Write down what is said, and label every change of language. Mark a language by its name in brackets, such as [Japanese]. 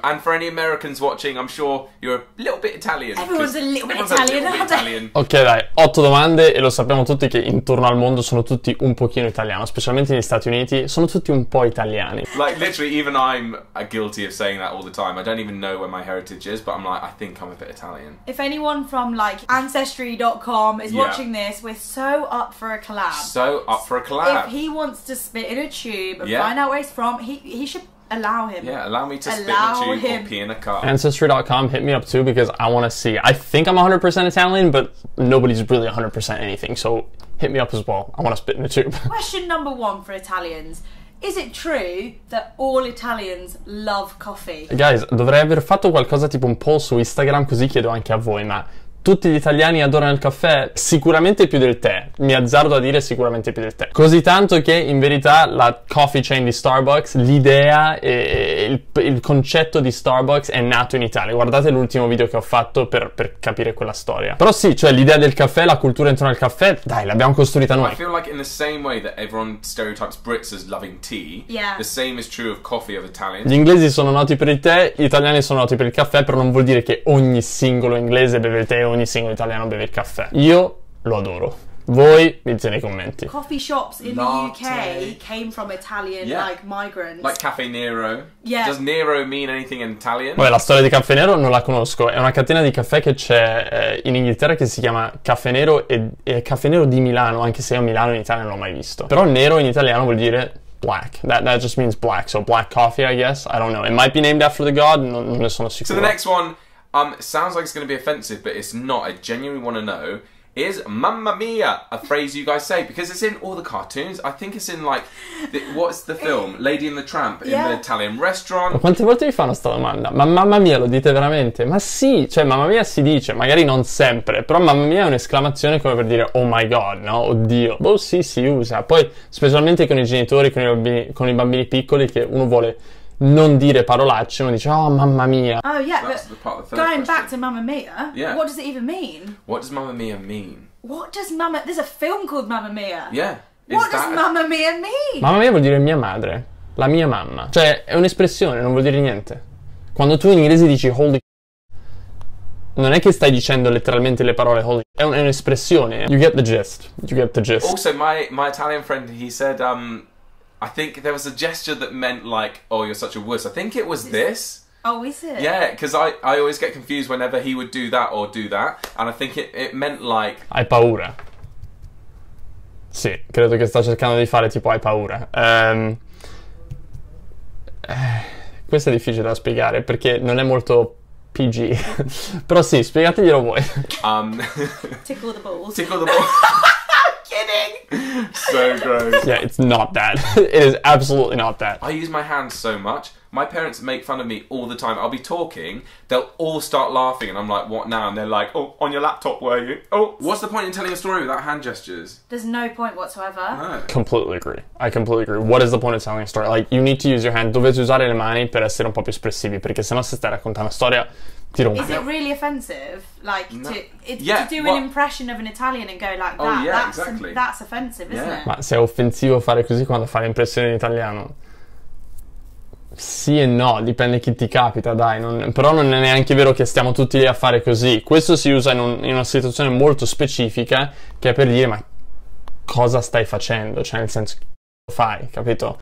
[English] And for any Americans watching, I'm sure you're a little bit Italian. Everyone's a little bit Italian. [Italian] Ok, dai, 8 domande e lo sappiamo tutti che intorno al mondo sono tutti un pochino italiano, specialmente negli Stati Uniti, sono tutti un po' italiani. [English] Like, literally, even I'm guilty of saying that all the time. I don't even know where my heritage is, but I'm like, I think I'm a bit Italian. If anyone from like ancestry.com is watching this, we're so up for a collab. So up for a collab. If he wants to spit in a tube and find out where he's from, he should allow him. Yeah, allow me to allow spit in a tube or pee in a cup. Ancestry.com, hit me up too because I want to see. I think I'm 100% Italian, but nobody's really 100% anything. So hit me up as well. I want to spit in a tube. Question number one for Italians. Is it true that all Italians love coffee? [Italian] Guys, dovrei aver fatto qualcosa tipo un poll su Instagram, così chiedo anche a voi, ma tutti gli italiani adorano il caffè? Sicuramente più del tè. Mi azzardo a dire sicuramente più del tè. Così tanto che, in verità, la coffee chain di Starbucks, l'idea e il concetto di Starbucks è nato in Italia. Guardate l'ultimo video che ho fatto per capire quella storia. Però sì, cioè l'idea del caffè, la cultura intorno al caffè, dai, l'abbiamo costruita noi. [English] I feel like in the same way that everyone stereotypes Brits as loving tea, the same is true of coffee of Italians. [Italian] Gli inglesi sono noti per il tè, gli italiani sono noti per il caffè, però non vuol dire che ogni singolo inglese beve il tè, ogni singolo italiano beve il caffè. Io lo adoro. Voi mi dite nei commenti. [English] Coffee shops in latte. The UK came from Italian like migrants. Like Caffè Nero. Yeah. Does Nero mean anything in Italian? [Italian] Vabbè, la storia di Caffè Nero non la conosco. È una catena di caffè che c'è in Inghilterra che si chiama Caffè Nero e Caffè Nero di Milano, anche se io a Milano in Italia non l'ho mai visto. Però nero in italiano vuol dire black. [English] That just means black. So black coffee, I guess. I don't know. It might be named after the god. [Italian] Non ne sono sicuro. [English] So the next one. Sounds like it's going to be offensive, but it's not. I genuinely want to know, is Mamma Mia a phrase you guys say? Because it's in all the cartoons. I think it's in, like, what's the film? Lady and the Tramp in the Italian restaurant. [Italian] Ma quante volte vi fanno sta domanda? Ma Mamma Mia lo dite veramente? Ma sì, cioè Mamma Mia si dice, magari non sempre, però Mamma Mia è un'esclamazione come per dire [English] oh my god, [Italian] no? Oddio. Boh, sì, si usa. Poi, specialmente con i genitori, con i bambini piccoli, che uno vuole non dire parolacce, uno dice, oh, mamma mia. [English] Oh, yeah, so but going back to Mamma Mia, what does it even mean? What does Mamma Mia mean? What does Mamma... There's a film called Mamma Mia. Yeah. Mamma Mia mean? [Italian] Mamma Mia vuol dire mia madre, la mia mamma. Cioè, è un'espressione, non vuol dire niente. Quando tu in inglese dici holy c***o, non è che stai dicendo letteralmente le parole holy c***o, è un'espressione. [English] You get the gist, you get the gist. Also, my Italian friend, he said, I think there was a gesture that meant like, oh, you're such a wuss. I think it was this. Oh, is it? Yeah, because I always get confused whenever he would do that or do that. And I think it meant like... [Italian] Hai paura. Sì, credo che sta cercando di fare tipo hai paura. Questo è difficile da spiegare perché non è molto PG. Però sì, spiegateglielo voi. [English] Tickle the balls. Tickle the balls. Kidding. So gross. Yeah, it's not that. It is absolutely not that. I use my hands so much. My parents make fun of me all the time. I'll be talking, they'll all start laughing, and I'm like, what now? And they're like, oh, on your laptop, were you? Oh, what's the point in telling a story without hand gestures? There's no point whatsoever. No. Completely agree. I completely agree. What is the point of telling a story? Like, you need to use your hand. [Italian] Dovete usare le mani per essere un po' più espressivi, perché se no se stai raccontando una storia, ti rompi. [English] Is it really offensive? Like, to do an impression of an Italian and go like that? Oh, yeah, That's offensive, isn't it? [Italian] Ma se è offensivo fare così quando fai l'impressione in italiano? Sì e no, dipende chi ti capita, dai. Però non è neanche vero che stiamo tutti lì a fare così. Questo si usa in una situazione molto specifica, che è per dire, ma cosa stai facendo? Cioè, nel senso, che fai, capito?